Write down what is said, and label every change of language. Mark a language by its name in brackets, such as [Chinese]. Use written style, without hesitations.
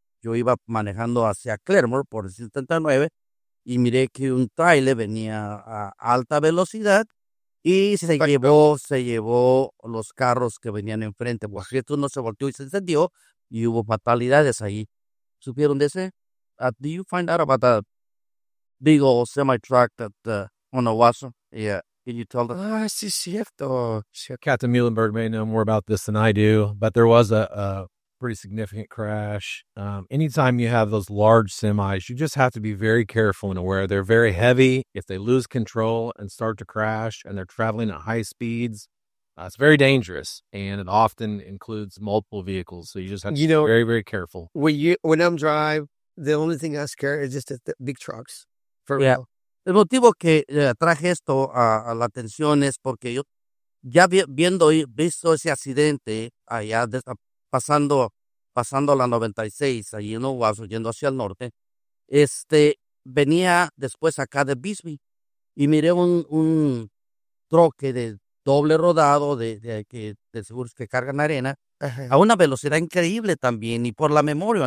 [Spanish] Yo iba manejando hacia Claremore por el 179 y miré que un tráiler venía a alta velocidad y se llevó los carros que venían enfrente. Pues esto no se volteó y se encendió. Y hubo fatalidades ahí. ¿Supieron de ese? [English] Do you find out about that big old semi-truck that on Owasso? Yeah. Can you tell them? [Spanish] Sí, cierto. [English] Captain Muhlenberg may know more about this than I do, but there was a pretty significant crash. Anytime you have those large semis, you just have to be very careful and aware. They're very heavy. If they lose control and start to crash and they're traveling at high speeds, it's very dangerous, and it often includes multiple vehicles, so you just have to be very, very careful. When I'm driving, the only thing I scare is just the big trucks, for real. [Spanish] El motivo que traje esto a la atención es porque yo ya visto ese accidente allá pasando la 96, allí en Owasso, yendo hacia el norte, venía después acá de Bisbee, y miré un troque de doble rodado de seguros que cargan arena, a una velocidad increíble también, y por la memoria.